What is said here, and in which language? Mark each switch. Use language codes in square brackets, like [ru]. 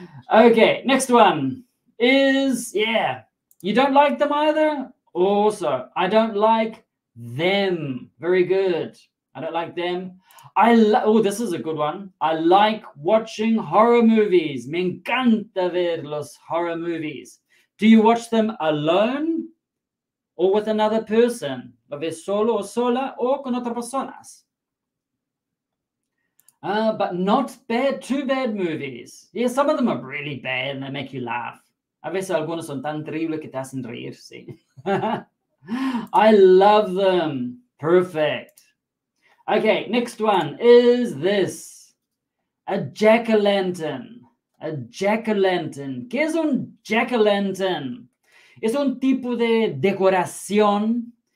[en] Okay, next one is, yeah, you don't like them either? Also, I don't like them. Very good. I don't like them. This is a good one. I like watching horror movies. [es] Me encanta ver los [en] horror movies. Do you watch them alone or with another person? [es] ¿Lo ves solo o sola o con otras personas? [en] But not bad, too bad movies. Yeah, some of them are really bad and they make you laugh. [es] A veces algunos son tan terribles que te hacen reír, sí. [en] I love them. Perfect. Okay, next one is this. A jack-o'-lantern. A jack-o'-lantern. [es] ¿Qué es un jack-o'-lantern? Es un tipo de decoración.